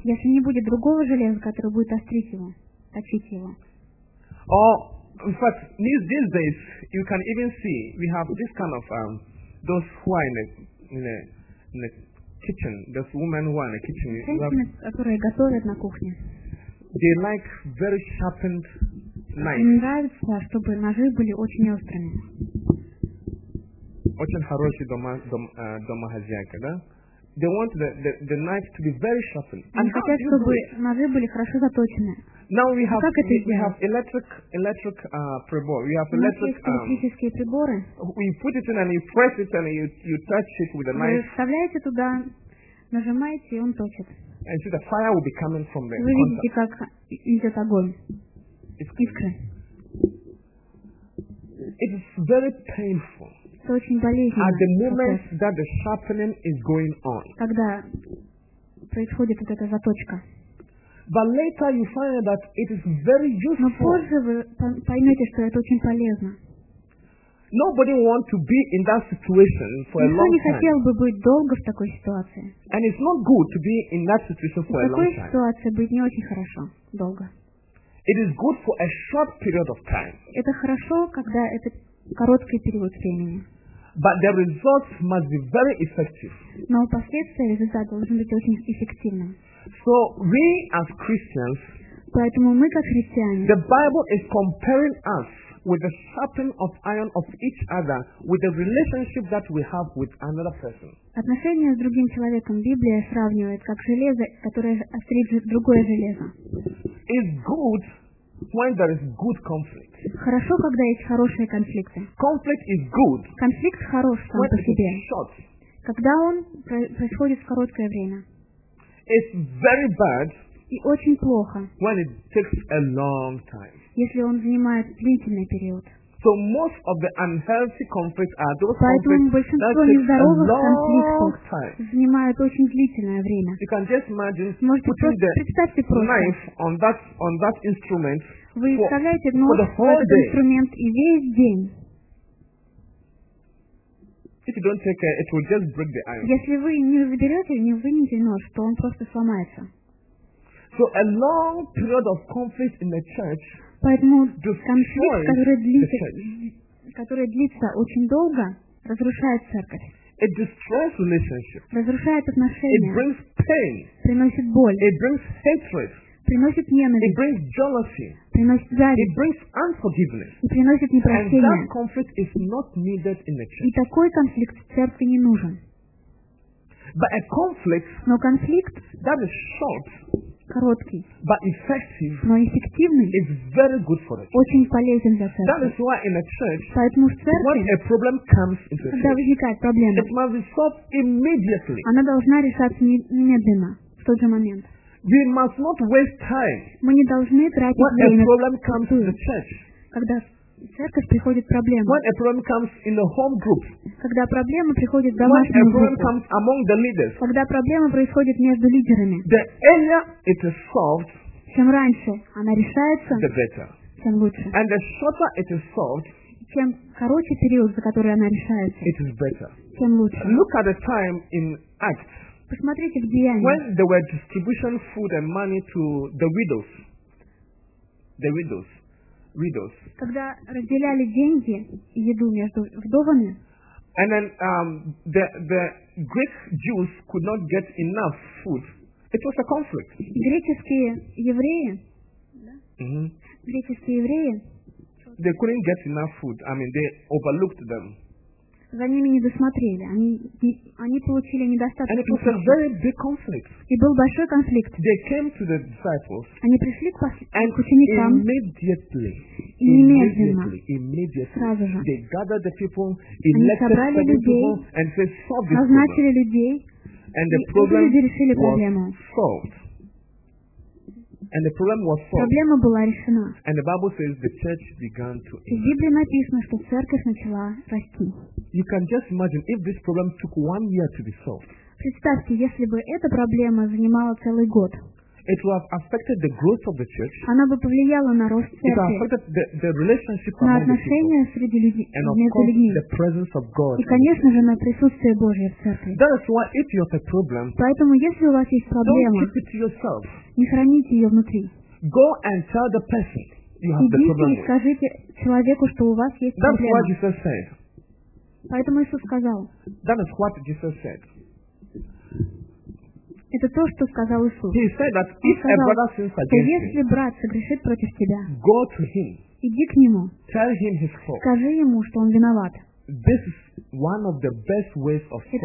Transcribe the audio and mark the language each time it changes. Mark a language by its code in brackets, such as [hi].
[ru] Если не будет другого железа, которое будет острить его, точить его. [en] Or, in fact, these days, you can even see, we have this kind of, those who are in the kitchen, those women who are in the kitchen. They like very sharpened knives. [ru] Им нравится, чтобы ножи были очень острыми. очень хороший домохозяйка, да? [en] They want the knife to be very sharpened. [ru] Они хотят, чтобы ножи были хорошо заточены. [en] Now we have electric прибор. We have [ru] электрические приборы. [en] We put it in and you press it and you touch it with a knife. [ru] Вы вставляете туда, нажимаете, и он точит. [en] And see the fire will be coming from there. [ru] Вы видите, как идет огонь. Искры. [en] It is very painful. [ru] Это очень болезненно. [en] At the moment that the sharpening is going on. [ru] Когда происходит вот эта заточка. [en] But later you find that it is very useful. [ru] Но позже вы поймете, что это очень полезно. [en] Nobody wants to be in that situation for a long time. [ru] Никто не хотел бы быть долго в такой ситуации. [en] And it's not good to be in that situation for a long time. [ru] В такой ситуации быть не очень хорошо долго. [en] It is good for a short period of time. [ru] Это хорошо, когда это короткий период времени. [en] But the results must be very effective. [ru] Но последствия, результат должен быть очень эффективным. [en] So we as Christians, [ru] поэтому мы как христиане, [en] the Bible is comparing us with the sharpening of iron of each other with the relationship that we have with another person. [ru] Отношения с другим человеком Библия сравнивает как железо, которое острит другое железо. [en] It's good when there is good conflict. [ru] Хорошо, когда есть хорошие конфликты. [en] Conflict is good. [ru] Конфликт хорош сам по себе. [en] Short. [ru] Когда он происходит в короткое время. [en] It's very bad. [ru] И очень плохо. [en] When it takes a long time. [ru] Если он занимает длительный период. [en] So most of the unhealthy conflicts are those conflicts that take a long time. [ru] Занимают очень длительное время. [en] You can just imagine putting the knife on that instrument. [ru] Вы вставляете нож в этот инструмент и весь день. [en] If you don't take care, it will just break the iron. [ru] Если вы не заберете, не вынете нож, то он просто сломается. [en] So a long period of conflict in the church. [ru] Поэтому конфликт, который длится очень долго, разрушает церковь. [en] It destroys relationships. [ru] Разрушает отношения. [en] It brings pain. [ru] Приносит боль. [en] It brings hatred. [ru] Приносит ненависть. [en] It brings jealousy. [ru] Приносит зависть. [en] It brings unforgiveness. [ru] И приносит непрощение. [en] And that conflict is not needed in the church. [ru] И такой конфликт в церкви не нужен. [en] But a conflict, [ru] но конфликт, [en] that is short, [ru] короткий, [en] but effective, [ru] но эффективный, [en] is very good for the church. [ru] Очень полезен для церкви. [en] That is why in a church, [ru] поэтому в церкви, [en] when a problem comes into the church, [ru] когда возникает проблема, [en] it must be solved immediately. [ru] Она должна решаться немедленно, в тот же момент. [en] We must not waste time. [ru] Мы не должны тратить [en] when [ru] время. [en] When a problem comes in the church, [ru] когда в церковь приходит проблема. [en] When a problem comes in the home group, [ru] когда проблема приходит в домашнюю группу. [en] When a problem comes among the leaders, [ru] когда проблема происходит между лидерами. [en] The earlier it is solved, [ru] чем раньше она решается, [en] the better, [ru] тем лучше. [en] And the shorter it is solved, [ru] чем короче период, за который она решается, [en] it is better, [ru] тем лучше. [en] Look at the time in Acts. [ru] Посмотрите в Деяниях. [en] When they were distributing food and money to the widows. [ru] Когда разделяли деньги и еду между вдовами. [en] And then the Greek Jews could not get enough food. It was a conflict. [ru] Греческие евреи. Греческие евреи. [en] They couldn't get enough food. I mean, they overlooked them. [ru] За ними не досмотрели. Они получили недостаточно. [en] And it was a very big conflict. [ru] И был большой конфликт. [en] They came to the disciples. [ru] Они пришли к ученикам. [en] Immediately. Immediately. [ru] Сразу же. [en] They gathered the people, elected the people, and said, solve this problem. [ru] Назначили людей. [en] And the problem was solved. And the problem was solved. [ru] Проблема была решена. [en] And the Bible says the church began to. [ru] В Библии написано, что церковь начала расти. [en] You can just imagine if this problem took 1 year to be solved. [ru] Представьте, если бы эта проблема занимала целый год. [en] It would have affected the growth of the church. [ru] Она бы повлияла на рост церкви. [en] It would have affected the relationship among people. [ru] На отношения среди людей. [en] And of course, the presence of God. [ru] И, конечно же, на присутствие Божье в церкви. [en] That is why if you have a problem. [ru] Поэтому, если у вас есть проблема, [en] don't keep it to yourself. [ru] Не храните ее внутри. [en] Go and tell the person you have the problem. [ru] Идите и скажите человеку, что у вас есть проблема. [en] That's what Jesus said. [ru] Поэтому Иисус сказал. [en] That is what Jesus said. [ru] Это то, что сказал Иисус. [en] He said that if [ru] сказал, [en] a brother sins against you, [ru] если брат согрешит против тебя, [en] go to him, [ru] иди к нему, [en] tell him his fault, [ru] скажи ему, что он виноват. [en] This is one of the best ways of